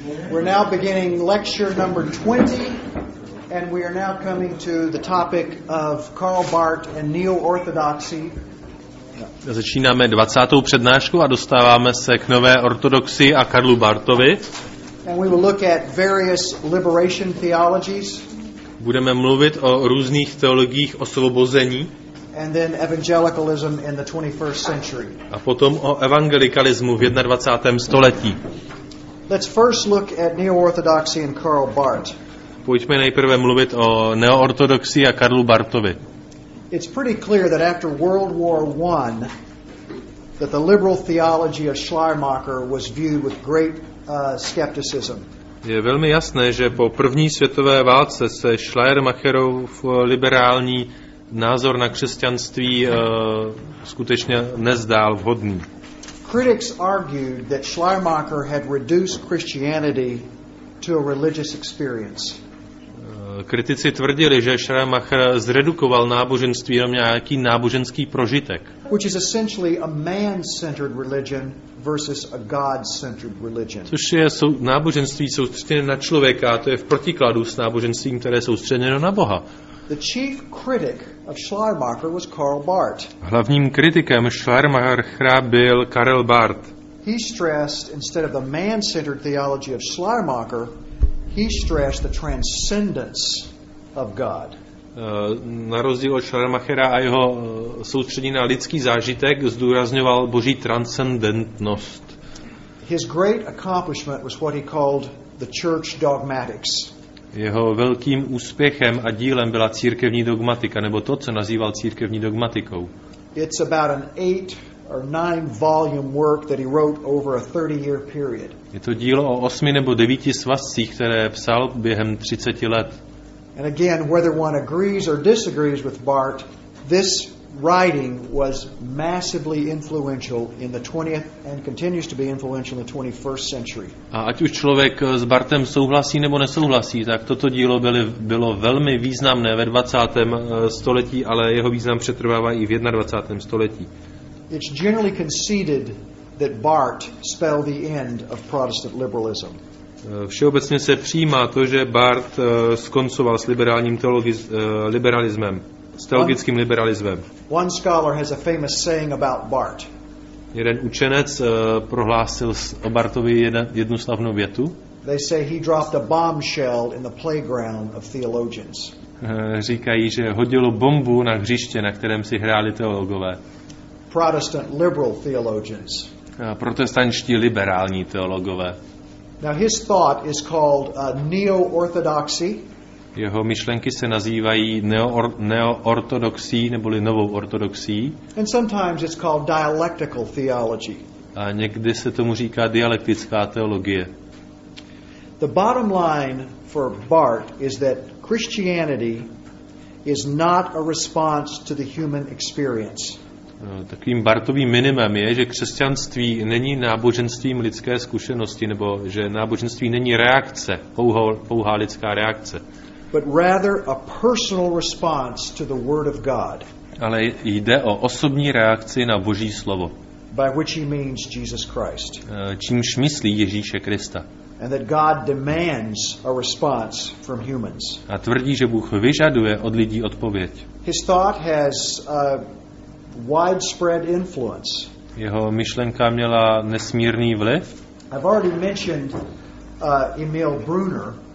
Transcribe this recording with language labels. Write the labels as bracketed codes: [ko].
[en] We're now beginning lecture number 20, and we are now coming to the topic of Karl Barth and Neo-Orthodoxy. [cs] Začínáme 20. přednášku a dostáváme se k nové ortodoxii a Karlu Barthovi. [en] And we will look at various liberation theologies. [cs] Budeme mluvit o různých teologiích osvobození. [en] And then evangelicalism in the 21st century. [cs] A potom o evangelikalismu v 21. století. [en] Let's first look at Neo-Orthodoxy and Karl Barth. [cs] Pojďme nejprve mluvit o neoortodoxii a Karlu Barthovi. [en] It's pretty clear that after World War I, that the liberal theology of Schleiermacher was viewed with great skepticism. [cs] Je velmi jasné, že po první světové válce se Schleiermacherův liberální názor na křesťanství skutečně nezdál vhodný. [en] Critics argued that Schleiermacher had reduced Christianity to a religious experience. [cs] Kritici tvrdili, že Schleiermacher zredukoval náboženství jenom nějaký náboženský prožitek. [en] Which is essentially a man-centered religion versus a God-centered religion. [cs] Což je náboženství soustředěné na člověka, a to je v protikladu s náboženstvím, které je soustředěno na Boha. [en] The chief critic of Schleiermacher was Karl Barth. [cs] Hlavním kritikem Schleiermachera byl Karl Barth. [en] He stressed instead of the man-centered theology of Schleiermacher, he stressed the transcendence of God. [cs] Na rozdíl od Schleiermachera a jeho soustředění na lidský zážitek zdůrazňoval boží transcendentnost. [en] His great accomplishment was what he called the church dogmatics. [cs] Jeho velkým úspěchem a dílem byla církevní dogmatika, nebo to, co nazýval církevní dogmatikou. [en] It's about an 8 or 9 volume work that he wrote over a 30-year period. [cs] Je to dílo o 8 nebo 9 svazcích, které psal během 30 let. [en] And again, whether one agrees or disagrees with Barth, this writing was massively influential in the 20th and continues to be influential in the 21st century. [cs] A ať už člověk s Barthem souhlasí nebo nesouhlasí, tak toto dílo bylo velmi významné ve 20. století, ale jeho význam přetrvává i v 21. století. [en] It's generally conceded that Barth spelled the end of Protestant liberalism. [cs] Všeobecně se přijímá to, že Barth skoncoval s liberálním liberalismem. S teologickým liberalismem. [en] One scholar has a famous saying about Barth. [cs] Jeden učenec prohlásil o Barthovi jednu slavnou větu. [en] They say he dropped a bombshell in the playground of theologians. [cs] Říkají, že hodilo bombu na hřiště, na kterém si hráli teologové. [en] Protestant liberal theologians. [cs] Protestantští liberální teologové. [en] Now his thought is called neo-orthodoxy. [cs] Jeho myšlenky se nazývají neoortodoxí neboli novou ortodoxií. [en] And sometimes it's called dialectical theology. [cs] A někdy se tomu říká dialektická teologie. [en] The bottom line for Barth is that Christianity is not a response to the human experience. [cs] Takovým Barthovým minimem je, že křesťanství není náboženstvím lidské zkušenosti, nebo že náboženství není reakce, pouhá lidská reakce. [en] But rather a personal response to the word of God. [cs] Ale jde o osobní reakci na Boží slovo. [en] By which he means Jesus Christ. [cs] Čímž myslí Ježíše Krista. [en] And that God demands a response from humans. [cs] A tvrdí, že Bůh vyžaduje od lidí odpověď. [en] His thought has a widespread influence. [cs] Jeho myšlenka měla nesmírný vliv. [en] I've already mentioned Emil Brunner.